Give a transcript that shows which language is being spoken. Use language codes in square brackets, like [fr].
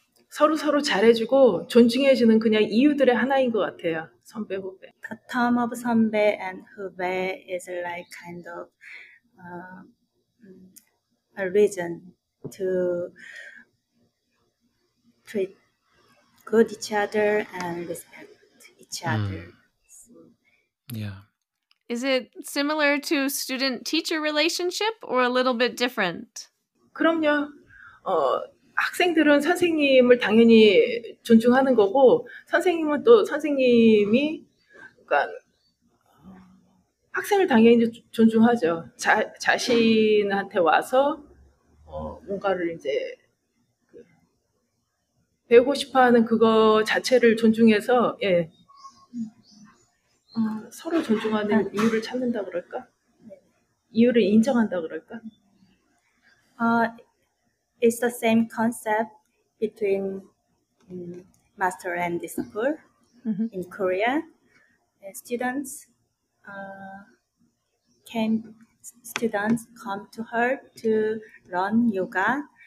[ko] 서로 서로 잘해주고 존중해주는 그냥 이유들의 하나인 것 같아요. 선배 후배. [en] The term of 선배 and 후배 is like kind of a reason to treat good each other and respect each other. Yeah. Is it similar to student-teacher relationship or a little bit different? [ko] 그럼요. 학생들은 선생님을 당연히 존중하는 거고 선생님은 또 선생님이 그러니까 학생을 당연히 존중하죠. 자신한테 와서 뭔가를 이제 배우고 싶어하는 그거 자체를 존중해서 예 서로 존중하는 이유를 찾는다 그럴까? 이유를 인정한다 그럴까? [en] It's the same concept between master and disciple in Korea. Students come to her to learn yoga.